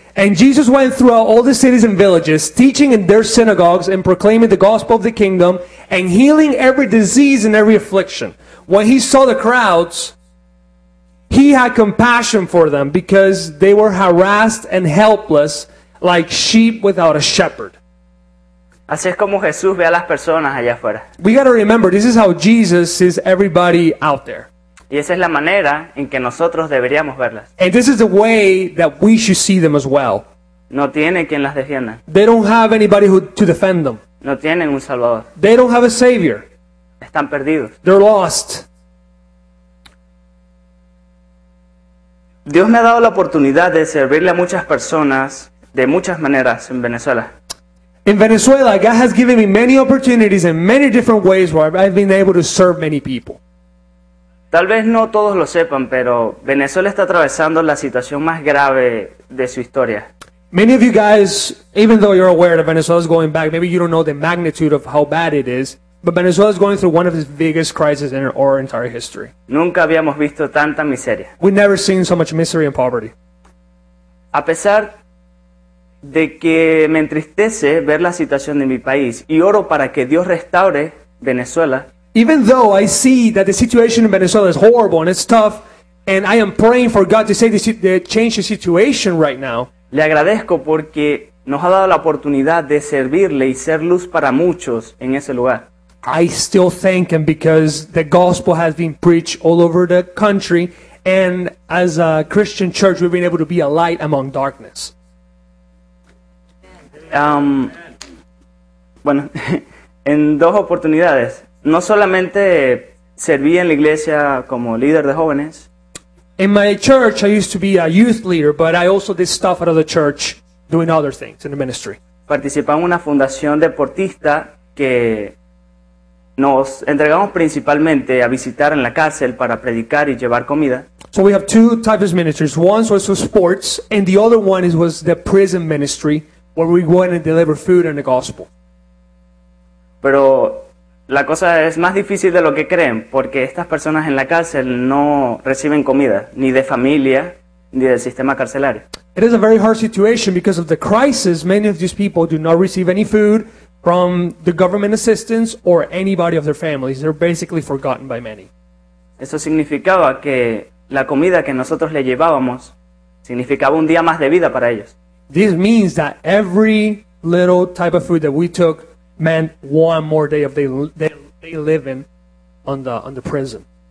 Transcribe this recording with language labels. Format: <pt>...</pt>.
<en>And Jesus went throughout all the cities and villages, teaching in their synagogues and proclaiming the gospel of the kingdom and healing every disease and every affliction. When he saw the crowds, he had compassion for them because they were harassed and helpless like sheep without a shepherd.</en> <es>Así es como Jesús ve a las personas allá afuera.</es> <en>We got to remember, this is how Jesus sees everybody out there.</en> <es>Y esa es la manera en que nosotros deberíamos verlas.</es> <en>And this is the way that we should see them as well.</en> <es>No tiene quien las defienda.</es> <en>They don't have anybody to defend them.</en> <es>No tienen un salvador.</es> <en>They don't have a savior.</en> <es>Están perdidos.</es> <en>They're lost.</en> <es>Dios me ha dado la oportunidad de servirle a muchas personas de muchas maneras en Venezuela.</es> <en>In Venezuela, God has given me many opportunities in many different ways where I've been able to serve many people.</en> <es>Tal vez no todos lo sepan, pero Venezuela está atravesando la situación más grave de su historia.</es> <en>Many of you guys, even though you're aware that Venezuela is going back, maybe you don't know the magnitude of how bad it is, but Venezuela is going through one of its biggest crises in our entire history.</en> <es>Nunca habíamos visto tanta miseria.</es> <en>We've never seen so much misery and poverty.</en> <es>A pesar de que me entristece ver la situación de mi país y oro para que Dios restaure Venezuela.</es> <en>Even though I see that the situation in Venezuela is horrible and it's tough, and I am praying for God to save the change the situation right now.</en> <es>Le agradezco porque nos ha dado la oportunidad de servirle y ser luz para muchos en ese lugar.</es> <en>I still thank him because the gospel has been preached all over the country, and as a Christian church, we've been able to be a light among darkness.</en> <es>Bueno, en dos oportunidades. No solamente serví en la iglesia como líder de jóvenes.</es> <en>In my church, I used to be a youth leader, but I also did stuff out of the church, doing other things in the ministry.</en> <es>Participamos en una fundación deportista que nos entregamos principalmente a visitar en la cárcel para predicar y llevar comida.</es> <en>So we have two types of ministries. One was for sports, and the other one was the prison ministry, where we went and deliver food and the gospel.</en> <es>Pero la cosa es más difícil de lo que creen, porque estas personas en la cárcel no reciben comida, ni de familia, ni del sistema carcelario.</es> <en>It is a very hard situation because of the crisis. Many of these people do not receive any food from the government assistance or anybody of their families. They're basically forgotten by many.</en> <es>Eso significaba que la comida que nosotros le llevábamos significaba un día más de vida para ellos.</es> <en>This means that every little type of food that we took meant one more day of they live in on the prison.</en>